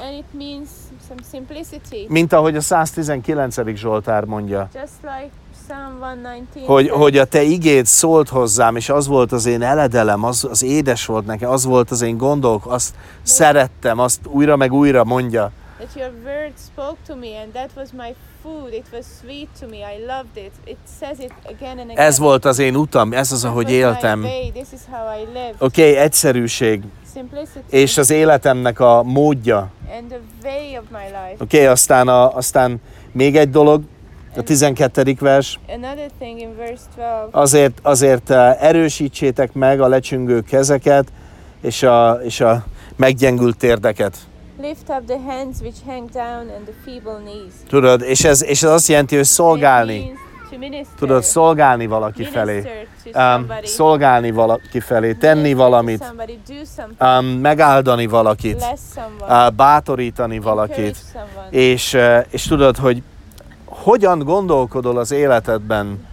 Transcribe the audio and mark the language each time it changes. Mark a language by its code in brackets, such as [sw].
[en] And it means some simplicity. [hu] Mint ahogy a 119. Zsoltár mondja. [en] Just like Psalm 119. [hu] Hogy a te igéd szólt hozzám, és az volt az én eledelem, az édes volt nekem, az volt az én gondolk, azt szerettem, azt újra meg újra mondja. [en] That your word spoke to me and that was my food, it was sweet to me, I loved it. It says it again and again. [hu] Ez volt az én utam, ez az, ahogy éltem. [en] This is how I lived. [hu] Okay, egyszerűség. [en] Simplicity. [hu] És az életemnek a módja. [en] And the way of my life. [hu] Okay, aztán még egy dolog, a 12. vers. [en] Another thing in verse 12. [hu] Azért erősítsétek meg a lecsüngő kezeket és a meggyengült térdeket. [en] Lift up the hands which hang down and the feeble knees. [hu] Tudod, és ez azt jelenti, hogy szolgálni. Tudod, szolgálni valaki felé. Szolgálni valaki felé, tenni valamit. Megáldani valakit. Bátorítani valakit. És tudod, hogy hogyan gondolkodol az életedben?